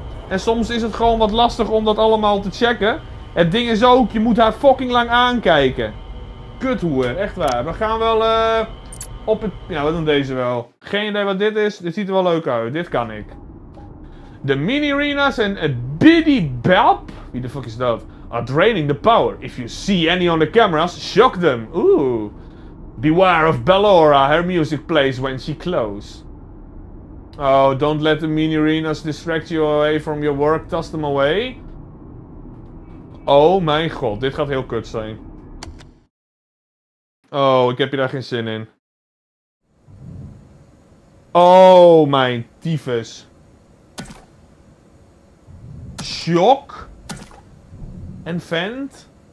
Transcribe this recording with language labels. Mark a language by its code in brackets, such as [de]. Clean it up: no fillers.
[nl] En soms is het gewoon wat lastig om dat allemaal te checken. Het ding is ook, je moet haar fucking lang aankijken. Kuthoer, echt waar. We gaan wel op het... Ja, we doen deze wel. Geen idee wat dit is. Dit ziet er wel leuk uit. Dit kan ik. De mini arenas en het biddy bap. Wie de fuck is dat? [en] Are draining the power. If you see any on the cameras, shock them. Ooh. Beware of Ballora. Her music plays when she close. Oh, don't let the mini arenas distract you away from your work. Toss them away. [nl] Oh mijn god, dit gaat heel kut zijn. Oh, ik heb hier daar geen zin in. Oh mijn tyfus. Shock. En vent.